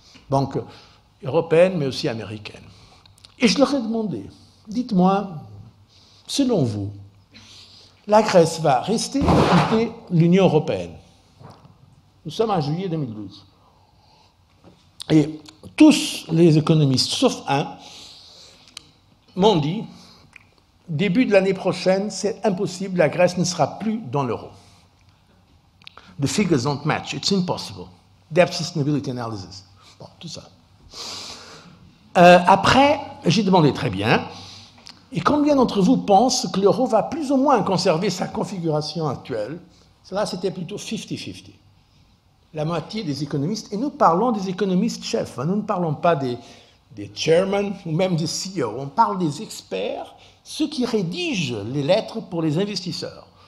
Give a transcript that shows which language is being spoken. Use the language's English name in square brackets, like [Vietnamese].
[French] Banques européennes, mais aussi américaines. Et je leur ai demandé, dites-moi, selon vous, la Grèce va rester ou quitter l'Union européenne ? Nous sommes en juillet 2012. Et tous les économistes, sauf un, m'ont dit, début de l'année prochaine, c'est impossible, la Grèce ne sera plus dans l'euro. [English] The figures don't match, it's impossible. Debt sustainability analysis. [French] Bon, tout ça. Après, j'ai demandé très bien, et combien d'entre vous pensent que l'euro va plus ou moins conserver sa configuration actuelle ? Cela, c'était plutôt 50-50. La moitié des économistes, et nous parlons des économistes chefs, nous ne parlons pas des chairmen ou même des CEO, on parle des experts, ceux qui rédigent les lettres pour les investisseurs.